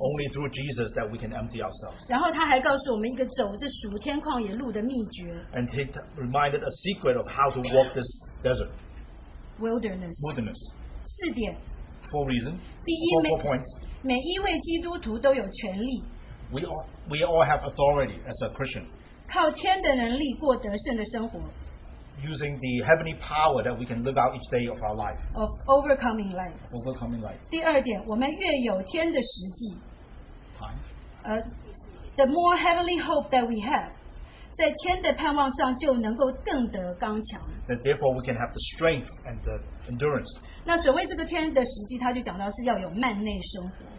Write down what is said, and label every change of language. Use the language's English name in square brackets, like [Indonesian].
[English] only through Jesus that we can empty ourselves. [Chinese] 然后他还告诉我们一个走这属天旷野路的秘诀, [English] and he reminded a secret of how to walk this desert wilderness. [Chinese] 四点, [English] four reasons. [Chinese] 第一, [English] four points. [Chinese] 每一位基督徒都有权利, [English] We all have authority as a Christian. [Chinese] 靠天的能力过得胜的生活, [English] using the heavenly power that we can live out each day of our life. Of overcoming life. Overcoming life. [Chinese] 第二点, 我们越有天的实际, [English] time. The more heavenly hope that we have, [Chinese] 在天的盼望上就能够更得刚强, [English] that therefore we can have the strength and the endurance. [Chinese] 那所谓这个天的实际, 他就讲到是要有幔内生活。